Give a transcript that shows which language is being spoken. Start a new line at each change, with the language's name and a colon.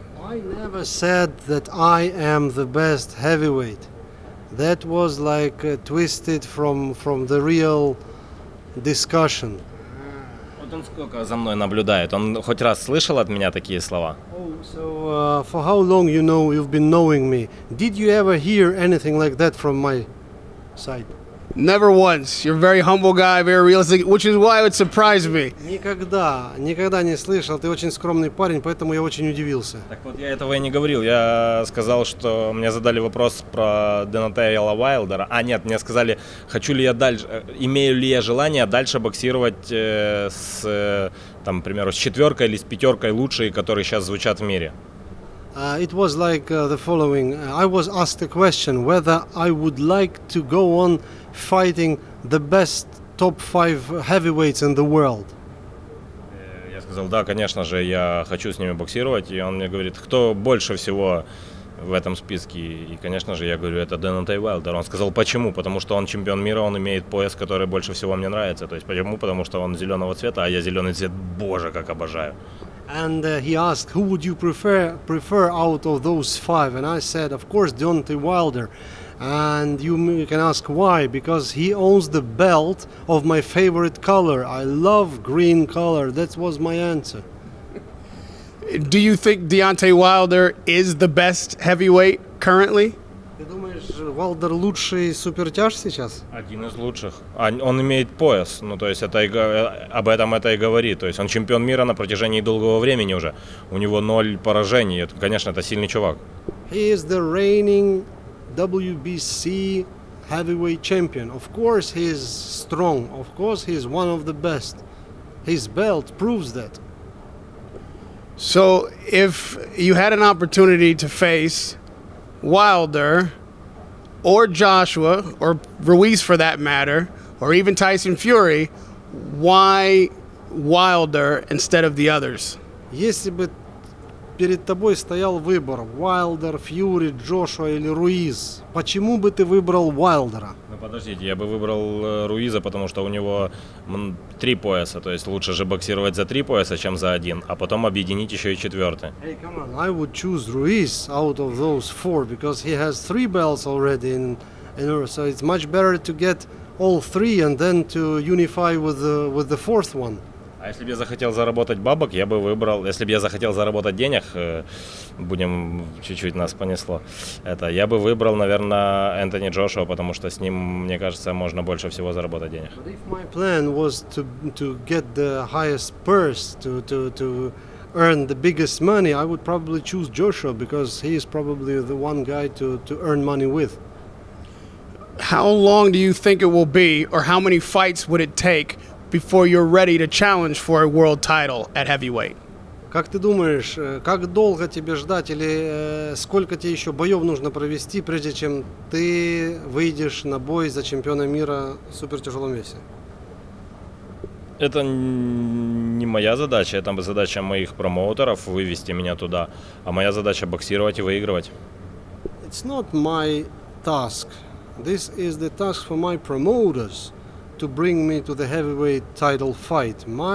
English: I never said that I am the best heavyweight. That was like twisted from the real discussion.
Russian: Вот он сколько за мной наблюдает. Он хоть раз слышал от меня такие слова?
English: For how long you know you've been knowing me? Did you ever hear anything like that from my side? Never once. You're a very humble guy, very realistic, which is why it surprised me.
Russian: Никогда, никогда не слышал. Ты очень скромный парень, поэтому я очень удивился. Так вот, я этого и не говорил. Я сказал, что мне задали вопрос про Денателла Уайлдера. А, нет, мне сказали, хочу ли я дальше, имею ли я желание дальше боксировать с, там, к примеру, с четверкой или с пятеркой лучшей, которые сейчас звучат в мире.
English: It was like the following. I was asked a question whether I would like to go on fighting the best top 5 heavyweights in the world.
Russian: Я сказал: "Да, конечно же, я хочу с ними боксировать". И он мне говорит: "Кто больше всего в этом списке?" И, конечно же, я говорю: "Это Дентей Уайлдер". Он сказал: "Почему?" Потому что он чемпион мира, он имеет пояс, который больше всего мне нравится. То есть почему? Потому что он зелёного цвета, а я зелёный цвет, боже, как обожаю.
English: And he asked, who would you prefer out of those five? And I said, of course, Deontay Wilder. And you can ask why, because he owns the belt of my favorite color. I love green color. That was my answer. Do you think Deontay Wilder is the best heavyweight currently?
Russian: Ты думаешь, Уайлдер лучший супертяж сейчас? Один из лучших. Он имеет пояс, ну то есть это и, об этом это и говорит. То есть он чемпион мира на протяжении долгого времени уже. У него ноль поражений. Это, конечно, это сильный чувак.
English: He is the reigning WBC heavyweight champion. Of course he is strong. Of course he is one of the best. His belt proves that. So if you had an opportunity to face Wilder or Joshua or Ruiz for that matter or even Tyson Fury, why Wilder instead of the others?
Russian: Если бы перед тобой стоял выбор Wilder, Fury, Joshua или Ruiz, почему бы ты выбрал Wilder'а? Ну подождите, я бы выбрал Ruiz'а, потому что у него три пояса, то есть лучше же боксировать за три пояса, чем за один, а потом объединить еще и четвертый.
English: Hey, come on, I would choose Ruiz out of those four, because he has three belts already, so it's much better to get all three and then to unify with the fourth one.
Russian: А если бы я захотел заработать бабок, я бы выбрал, если бы я захотел заработать денег, будем чуть-чуть нас понесло, это я бы выбрал, наверное, Энтони Джошуа, потому что с ним, мне кажется, можно больше всего заработать денег.
English: But if my plan was to get the highest purse, to earn the biggest money, I would probably choose Joshua, because he is probably the one guy to earn money with. How long do you think it will be, or how many fights would it take before you're ready to challenge for a world title at heavyweight?
Russian: Как ты думаешь, как долго тебе ждать или сколько тебе еще боев нужно провести, прежде чем ты выйдешь на бой за чемпиона мира в супертяжелом весе? Это не моя задача, это задача моих промоутеров вывести меня туда, а моя задача боксировать и выигрывать.
English: It's not my task. This is the task for my promoters to bring me to the heavyweight title fight.